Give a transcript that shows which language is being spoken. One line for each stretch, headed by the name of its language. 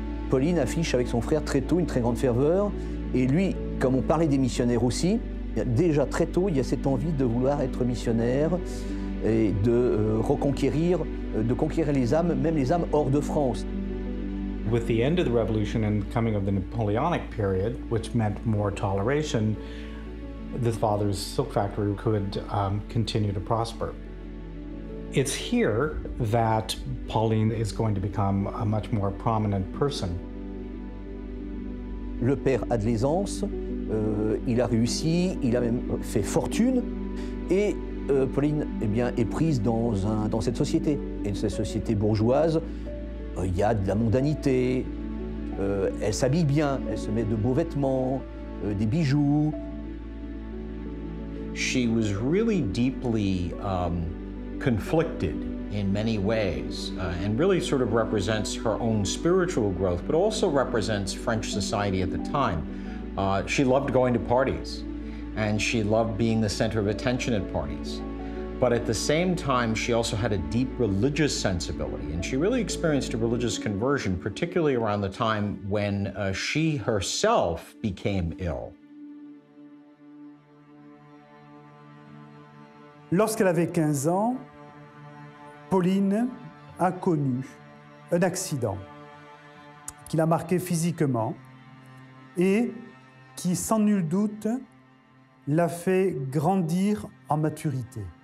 French: Pauline affiche avec son frère très tôt une très grande ferveur. Et lui, comme on parlait des missionnaires aussi, déjà très tôt, il y a cette envie de vouloir être missionnaire et de reconquérir, de conquérir les âmes, même les âmes hors de France.
English: With the end of the revolution and the coming of the Napoleonic period, which meant more toleration, the father's silk factory could continue to prosper. It's here that Pauline is going to become a much more prominent person.
French: Le père a de l'aisance, il a réussi, il a même fait fortune, et Pauline, eh bien, est prise dans cette société. Et cette société bourgeoise, il y a de la mondanité, elle s'habille bien, elle se met de beaux vêtements, des bijoux.
English: She was really deeply conflicted in many ways and really sort of represents her own spiritual growth, but also represents French society at the time. She loved going to parties and she loved being the center of attention at parties. But at the same time, she also had a deep religious sensibility and she really experienced a religious conversion, particularly around the time when she herself became ill.
French: Lorsqu'elle avait 15 ans, Pauline a connu un accident qui l'a marqué physiquement et qui, sans nul doute, l'a fait grandir en maturité.